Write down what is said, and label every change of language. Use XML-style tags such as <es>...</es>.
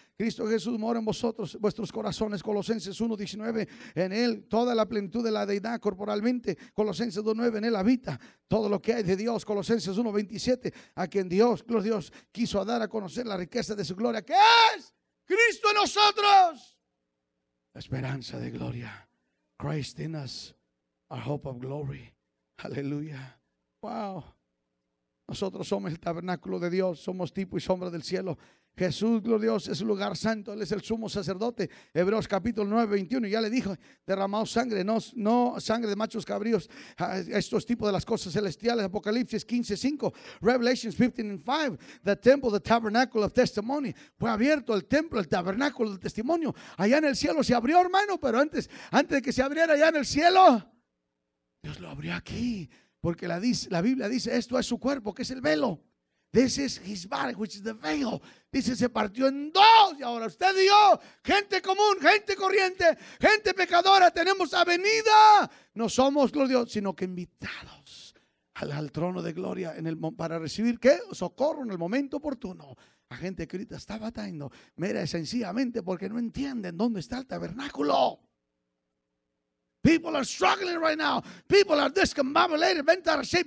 <es>Cristo Jesús mora en vosotros, vuestros corazones. Colosenses 1:19. En Él, toda la plenitud de la deidad corporalmente. Colosenses 2:9. En Él habita todo lo que hay de Dios. Colosenses 1:27. A quien Dios, gloria a Dios, quiso dar a conocer la riqueza de su gloria, que es Cristo en nosotros. La esperanza de gloria.</es> <en>Christ in us, our hope of glory. Aleluya. Wow.</en> <es>Nosotros somos el tabernáculo de Dios, somos tipo y sombra del cielo. Jesús, gloria a Dios, es el lugar santo, Él es el sumo sacerdote. Hebreos capítulo 9:21, ya le dijo, derramado sangre, no sangre de machos cabríos. Esto es tipo de las cosas celestiales. Apocalipsis 15:5,</es> <en>Revelations 15:5, the temple, the tabernacle of testimony.</en> <es>Fue abierto el templo, el tabernáculo del testimonio. Allá en el cielo se abrió, hermano, pero antes de que se abriera allá en el cielo, Dios lo abrió aquí. Porque la Biblia dice, esto es su cuerpo, que es el velo.</es> <en>This is his body, which is the veil.</en> <es>Dice, se partió en dos. Y ahora usted y yo, gente común, gente corriente, gente pecadora, tenemos avenida. No somos, gloria a Dios, sino que invitados al trono de gloria para recibir, ¿qué? Socorro en el momento oportuno. La gente grita, está batallando. Mira, sencillamente porque no entienden dónde está el tabernáculo.</es> <en>People are struggling right now. People are discombobulated, bent out of shape.</en>